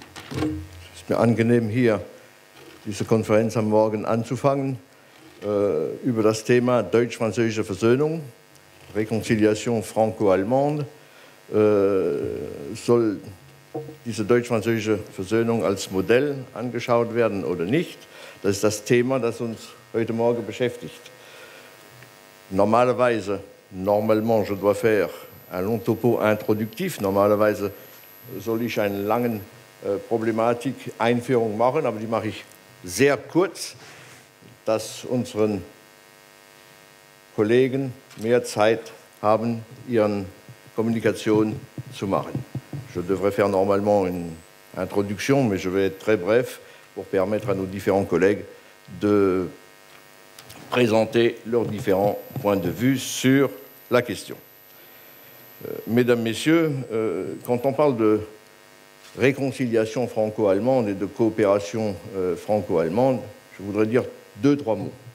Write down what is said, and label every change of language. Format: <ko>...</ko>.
<de>Es ist mir angenehm, hier diese Konferenz am Morgen anzufangen über das Thema deutsch-französische Versöhnung,</de> <fr>Reconciliation franco-allemande.</fr> <de>Soll diese deutsch-französische Versöhnung als Modell angeschaut werden oder nicht? Das ist das Thema, das uns heute Morgen beschäftigt.</de> <fr>Normalerweise, normalement, je dois faire un long topo introductif.</fr> <de>Normalerweise soll ich eine lange Problematik-Einführung machen, aber die mache ich sehr kurz, dass unsere Kollegen mehr Zeit haben, ihre Kommunikation zu machen.</de> <fr>Je devrais faire normalement une introduction, mais je vais être très bref pour permettre à nos différents collègues de présenter leurs différents points de vue sur la question. Mesdames, Messieurs, quand on parle de réconciliation franco-allemande et de coopération franco-allemande, je voudrais dire deux, trois mots.</fr>